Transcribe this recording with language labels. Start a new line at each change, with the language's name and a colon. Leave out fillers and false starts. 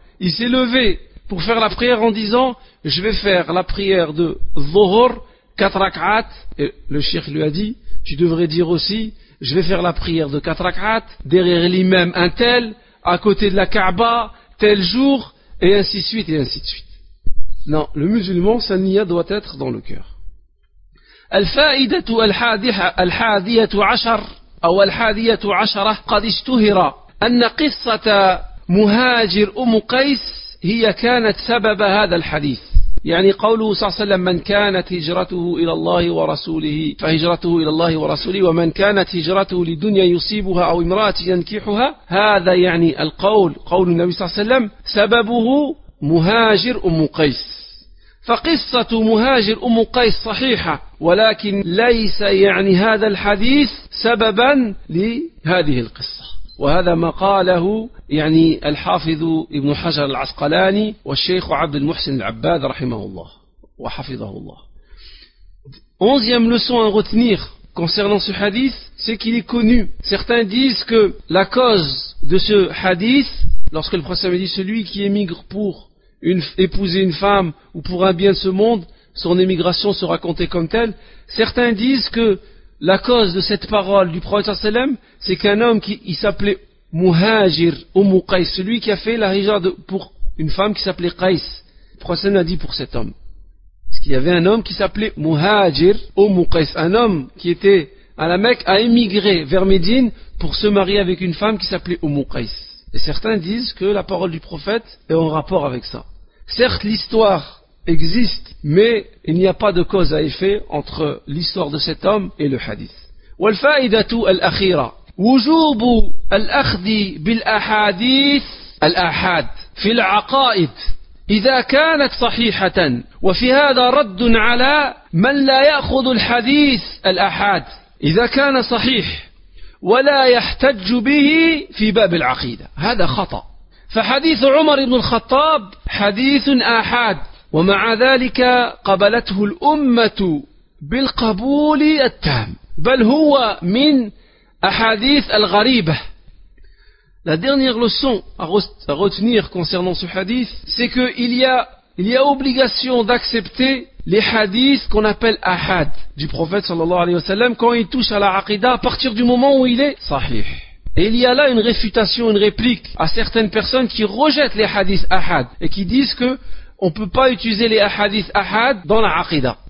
French: Il s'est levé pour faire la prière en disant je vais faire la prière de dhuhr 4 rak'at. Et le cheikh lui a dit tu devrais dire aussi je vais faire la prière de 4 rak'at derrière l'imam un tel, à côté de la Kaaba, tel jour, et ainsi de suite, et ainsi de suite. Non, le musulman, sa niya doit être dans le cœur.
Arabic: الفائدة الحادية عشر أو الحادية عشرة قد اشتهر أن قصة مهاجر أم قيس هي كانت سبب هذا الحديث، يعني قوله صلى الله عليه وسلم من كانت هجرته إلى الله ورسوله فهجرته إلى الله ورسوله، ومن كانت هجرته لدنيا يصيبها أو امرأة ينكحها، هذا يعني القول قول النبي صلى الله عليه وسلم سببه مهاجر أم قيس. فقصة مهاجر أم قيس صحيحة، ولكن ليس يعني هذا الحديث سببا لهذه القصة، وهذا ما قاله يعني الحافظ ابن حجر العسقلاني والشيخ عبد المحسن العباد رحمه الله وحفظه الله.
French: 11e leçon à retenir concernant ce hadith, c'est qu'il est connu. Certains disent que la cause de ce hadith, lorsque le prophète a dit celui qui émigre pour épouser une femme ou pour un bien de ce monde, son émigration sera comptée comme telle. Certains disent que la cause de cette parole du prophète, c'est qu'un homme qui s'appelait Muhajir Umm Qais, celui qui a fait la hijra pour une femme qui s'appelait Qais, le prophète a dit pour cet homme. Parce qu'il y avait un homme qui s'appelait Muhajir Umm Qais, un homme qui était à la Mecque, a émigré vers Médine pour se marier avec une femme qui s'appelait Umm Qais. Et certains disent que la parole du prophète est en rapport avec ça. Certes, l'histoire existe, mais il n'y a pas de cause à effet entre l'histoire de cet homme et le hadith.
Arabic: والفائدة الأخيرة وجوب الأخذ بالأحاديث الأحاد في العقائد إذا كانت صحيحة، وفي هذا رد على من لا يأخذ الحديث الأحاد إذا كان صحيح ولا يحتج به في باب العقيدة، هذا خطأ. فحديث عمر بن الخطاب حديث أحاد، ومع ذلك قبلته الأمة بالقبول التام، بل هو من أحاديث الغريبة.
French: La dernière leçon à retenir concernant ce hadith, c'est que il y a obligation d'accepter les hadiths qu'on appelle ahad du prophète sallallahu alayhi wa sallam quand il touche à la aqida à partir du moment où il est sahih. Et il y a là une réfutation, une réplique à certaines personnes qui rejettent les hadiths ahad et qui disent que on peut pas utiliser les hadiths ahad dans la aqida.